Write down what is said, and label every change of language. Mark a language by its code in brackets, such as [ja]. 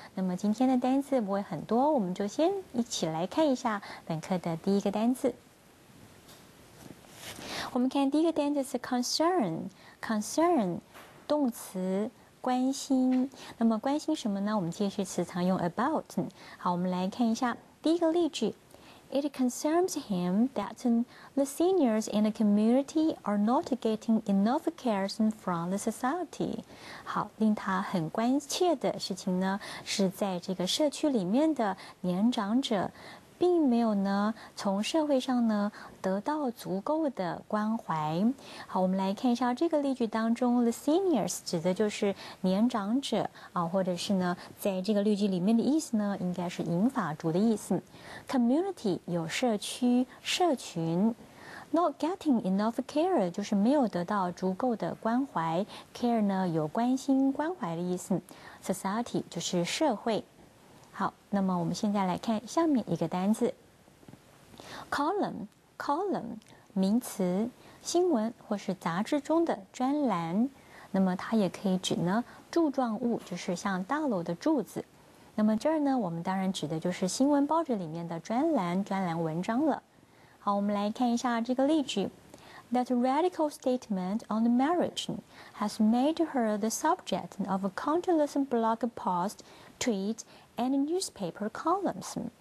[zh] 那么今天的单字不会很多，我们就先一起来看一下本课的第一个单字。我们看第一个单字是 concern， 动词，关心。那么关心什么呢？我们介系词常用 about。好，我们来看一下第一个例句。 [en] It concerns him that the seniors in the community are not getting enough care from the society. [zh] 好，令他很关切的事情呢，是在这个社区里面的年长者并没有呢从社会上呢得到足够的关怀。好，我们来看一下这个例句当中 [en] the seniors [zh] 指的就是年长者啊，或者是呢在这个例句里面的意思呢应该是银发族的意思。 community 有社区社群。 [en] not getting enough care [zh] 就是没有得到足够的关怀。 care 呢有关心关怀的意思。society 就是社会。好，那么我们现在来看下面一个单字 column 名词，新闻或是杂志中的专栏。那么它也可以指呢柱状物，就是像大楼的柱子。那么这儿呢我们当然指的就是新闻报纸里面的专栏文章了。好，我们来看一下这个例句。 [en] That radical statement on marriage has made her the subject of countless blog posts, tweets, and newspaper columns.